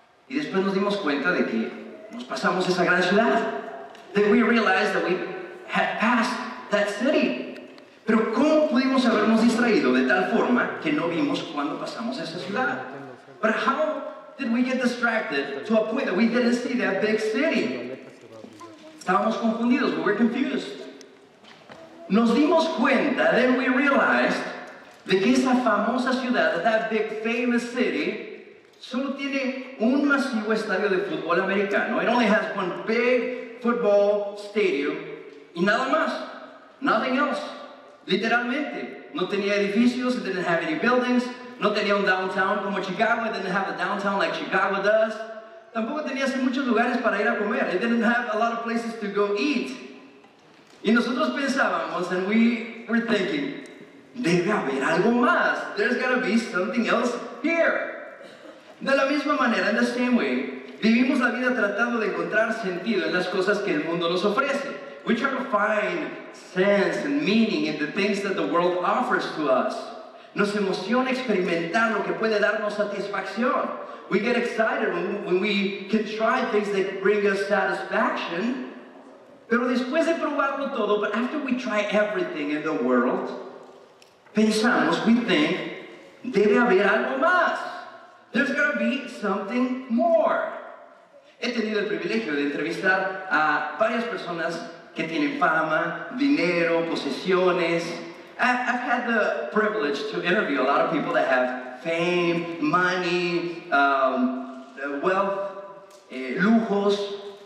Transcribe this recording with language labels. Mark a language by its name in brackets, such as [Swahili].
[Spanish] Y después nos dimos cuenta de que nos pasamos esa gran ciudad. [English] That we realized that we had passed that city. [Spanish] Pero ¿cómo pudimos habernos distraído de tal forma que no vimos cuando pasamos esa ciudad? [English] But how did we get distracted to a point that we didn't see that big city? [Spanish] Estábamos confundidos, [English] we were confused. [Spanish] Nos dimos cuenta, [English] then we realized, [Spanish] de que esa famosa ciudad, [English] that big famous city, [Spanish] solo tiene un masivo estadio de fútbol americano. [English] It only has one big football stadium, [Spanish] y nada más, [English] nothing else. [Spanish] Literalmente, no tenía edificios, [English] it didn't have any buildings, [Spanish] no tenía un downtown como Chicago, [English] it didn't have a downtown like Chicago does. [Spanish] Tampoco tenía muchos lugares para ir a comer. [English] It didn't have a lot of places to go eat. [Spanish] Y nosotros pensábamos, [English] and we were thinking, [Spanish] debe haber algo más. [English] There's got to be something else here. [Spanish] De la misma manera, [English] in the same way, [Spanish] vivimos la vida tratando de encontrar sentido en las cosas que el mundo nos ofrece. [English] We try to find sense and meaning in the things that the world offers to us. [Spanish] Nos emociona experimentar lo que puede darnos satisfacción. [English] We get excited when we can try things that bring us satisfaction. [Spanish] Pero después de probarlo todo, [English] but after we try everything in the world, [Spanish] pensamos, [English] we think, [Spanish] debe haber algo más. [English] There's going to be something more. [Spanish] He tenido el privilegio de entrevistar a varias personas que tienen fama, dinero, posesiones. [English] I've had the privilege to interview a lot of people that have fame, money, wealth, lujos.